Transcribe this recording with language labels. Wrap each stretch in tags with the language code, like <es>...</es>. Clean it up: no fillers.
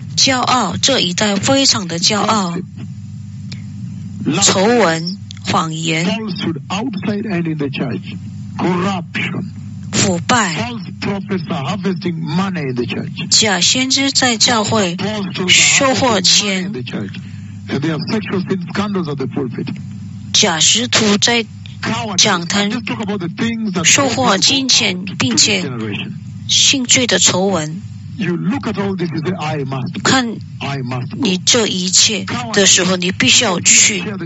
<zh>骄傲这一代非常的骄傲 仇闻谎言</zh> <en>falsehood outside and in the church, corruption,</en> <zh>腐败</zh> <en>false prophets are harvesting money in the church,</en> <zh>假先知在教会收获钱</zh> <en>in the church, and there are sexual sin scandals at the pulpit,</en> <zh>假使徒在讲坛收获金钱并且性罪的丑闻。</zh> <en>You look at all this and say, I must go.</en> <zh>看你这一切的时候，你必须要去。</zh>